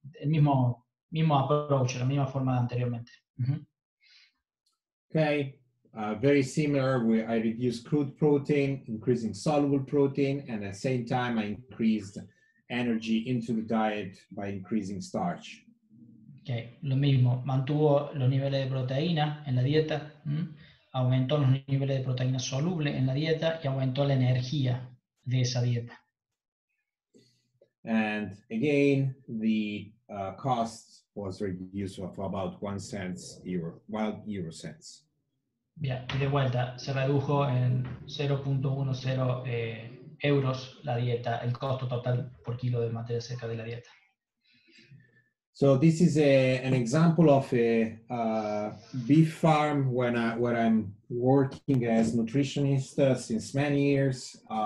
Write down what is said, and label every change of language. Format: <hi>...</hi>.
<es>El mismo approach, la misma forma de anteriormente.</es> <en>Okay. Very similar, where I reduced crude protein, increasing soluble protein, and at the same time, I increased energy into the diet by increasing starch.</en> <es>Okay, lo mismo, mantuvo los niveles de proteína en la dieta, aumentó los niveles de proteína soluble en la dieta y aumentó la energía de esa dieta.</es> <en>And again, the cost was reduced of about 1 cent euro, 1 euro cents.</en> <es>Bien, y de vuelta, se redujo en 0.10 euros la dieta, el costo total por kilo de materia seca de la dieta.</es> <en>So this is an example of a beef farm where I'm working as nutritionist since many years.</en>